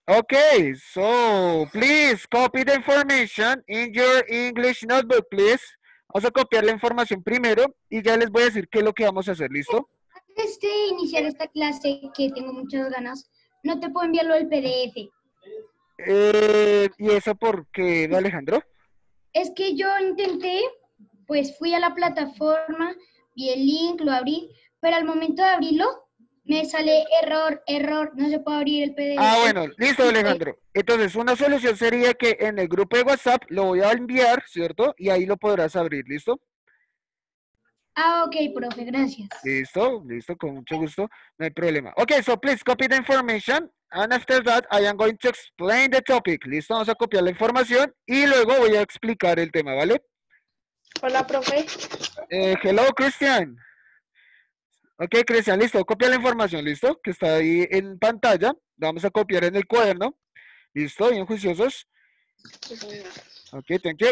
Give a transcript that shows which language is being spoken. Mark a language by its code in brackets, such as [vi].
[en] Ok, so, please copy the information in your English notebook, please. [es] Vamos a copiar la información primero y ya les voy a decir qué es lo que vamos a hacer, ¿listo? Antes de iniciar esta clase, que tengo muchas ganas, no te puedo enviarlo el PDF. ¿Y eso por qué, Alejandro? Es que yo intenté, pues fui a la plataforma, vi el link, lo abrí, pero al momento de abrirlo, me sale error, error, no se puede abrir el Ah, PDF. bueno, listo, Alejandro. Entonces, una solución sería que en el grupo de WhatsApp lo voy a enviar, ¿cierto? Y ahí lo podrás abrir, ¿listo? Ah, ok, profe, gracias. Listo, listo, con mucho gusto. No hay problema. [en] Ok, so please copy the information. And after that, I am going to explain the topic. [es] Listo, vamos a copiar la información y luego voy a explicar el tema, ¿vale? Hola, profe. [en] Hello, Cristian. Ok, Cristian, [es] listo. Copia la información, ¿listo? Que está ahí en pantalla. La vamos a copiar en el cuaderno. ¿Listo? Bien juiciosos. [en] Ok, thank you.